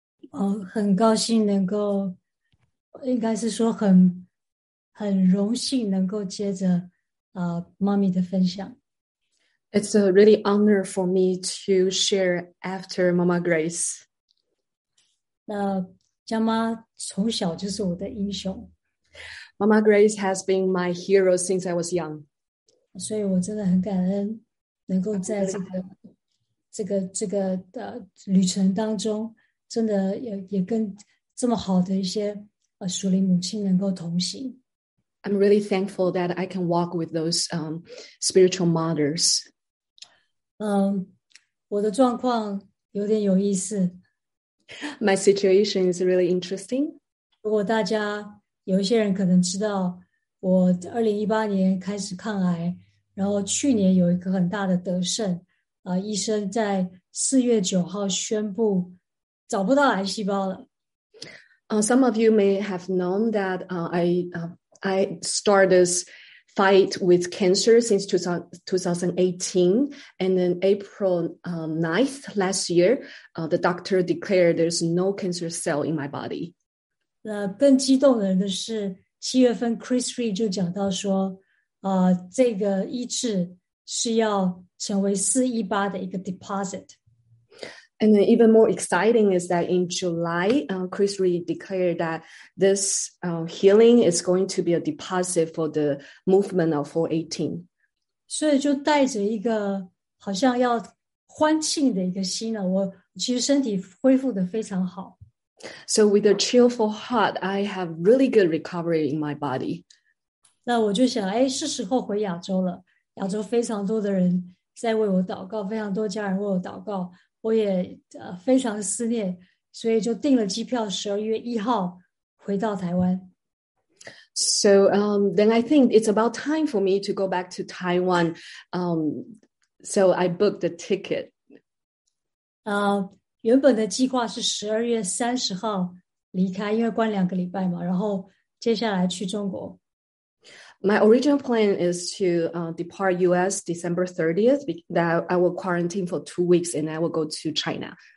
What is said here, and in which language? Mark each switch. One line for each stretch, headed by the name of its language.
Chinese: Oh, 很高兴能够，应该是说很荣幸能够接着Mommy 的分享。
English: It's a really honor for me to share after Mama Grace.
Chinese: 佳妈从小就是我的英雄。
English: Mama Grace has been my hero since I was young.
Chinese: 所以我真的很感恩能够在这个旅程当中真的 也跟这么好的一些属灵母亲能够同行。
English: I'm really thankful that I can walk with those spiritual mothers.
Chinese: 我的状况有点有意思。
English: My situation is really interesting.
Chinese: 如果大家有一些人可能知道，我2018年开始抗癌，然后去年有一个很大的得胜，医生在4月9号宣布找不到癌细胞了。
English: Some of you may have known that I started this fight with cancer since 2018, and then April 9th last year, the doctor declared there's no cancer cell in my body.
Chinese: 更激动的人的是七月份 Chris Reed 就讲到说这个医治是要成为418的一个 deposit.
English: And then even more exciting is that in July, Chris Reed declared that this healing is going to be a deposit for the movement of 418.
Chinese: 所以就带着一个好像要欢庆的一个心了，我其实身体恢复得非常好。
English: So with a cheerful heart, I have really good recovery in my body.
Chinese: 那我就想，哎，是时候回亚洲了。亚洲非常多的人在为我祷告，非常多家人为我祷告。我也非常思念，所以就订了机票12月1号回到台湾。
English: So then I think it's about time for me to go back to Taiwan. So I booked the ticket.
Chinese: 原本的计划是12月30号离开，因为关两个礼拜嘛，然后接下来去中国。
English: My original plan is to depart U.S. December 30th, that I will quarantine for 2 weeks and I will go to China.